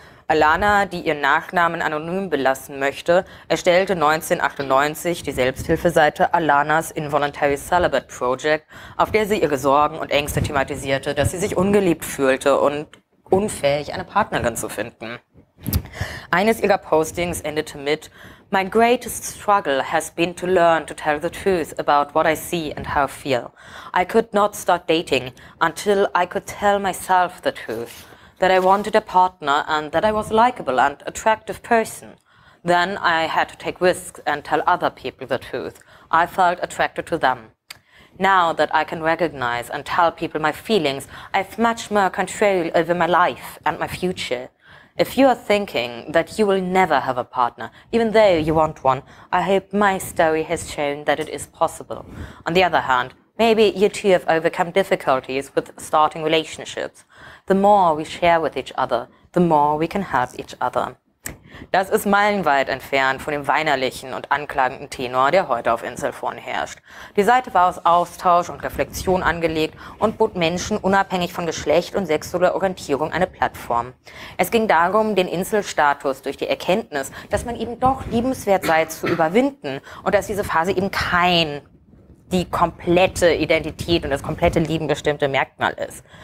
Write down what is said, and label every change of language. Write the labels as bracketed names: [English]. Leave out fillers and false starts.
[German] Alana, die ihren Nachnamen anonym belassen möchte, erstellte 1998 die Selbsthilfeseite Alanas Involuntary Celibate Project, auf der sie ihre Sorgen und Ängste thematisierte, dass sie sich ungeliebt fühlte und unfähig, eine Partnerin zu finden. Eines ihrer Postings endete mit: [English] "My greatest struggle has been to learn to tell the truth about what I see and how I feel. I could not start dating until I could tell myself the truth. That I wanted a partner and that I was a likable and attractive person. Then I had to take risks and tell other people the truth. I felt attracted to them. Now that I can recognize and tell people my feelings, I have much more control over my life and my future. If you are thinking that you will never have a partner, even though you want one, I hope my story has shown that it is possible. On the other hand, maybe you too have overcome difficulties with starting relationships. The more we share with each other, the more we can help each other." [German] Das ist meilenweit entfernt von dem weinerlichen und anklagenden Tenor, der heute auf Incelforen herrscht. Die Seite war aus Austausch und Reflexion angelegt und bot Menschen unabhängig von Geschlecht und sexueller Orientierung eine Plattform. Es ging darum, den Incel-Status durch die Erkenntnis, dass man eben doch liebenswert sei, zu überwinden und dass diese Phase eben kein die komplette Identität und das komplette Leben bestimmte Merkmal ist.